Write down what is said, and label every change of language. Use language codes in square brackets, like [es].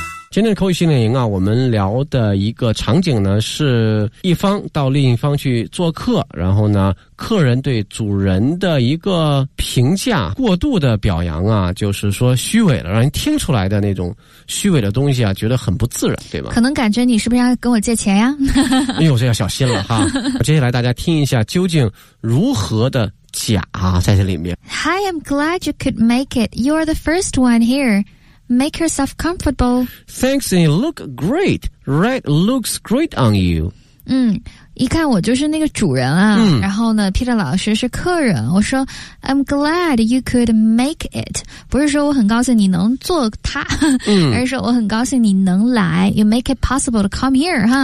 [zh] 今天的口语训练营啊，我们聊的一个场景呢是一方到另一方去做客，然后呢客人对主人的一个评价过度的表扬啊，就是说虚伪了，让人听出来的那种虚伪的东西啊，觉得很不自然，对吧？可能感觉你是不是要跟我借钱呀？哎呦，这要小心了哈。接下来大家听一下究竟如何的假在这里面。 [en] Hi, I'm glad you could make it. You are the first one hereMake yourself comfortable. Thanks, and you look great. Red looks great on you. [zh] 嗯，一看我就是那个主人啊。嗯，然后呢 Peter 老师是客人，我说 [en] I'm glad you could make it. [zh] 不是说我很高兴你能做他，嗯，而是我很高兴你能来。 [en] You make it possible to come here, [zh] 哈。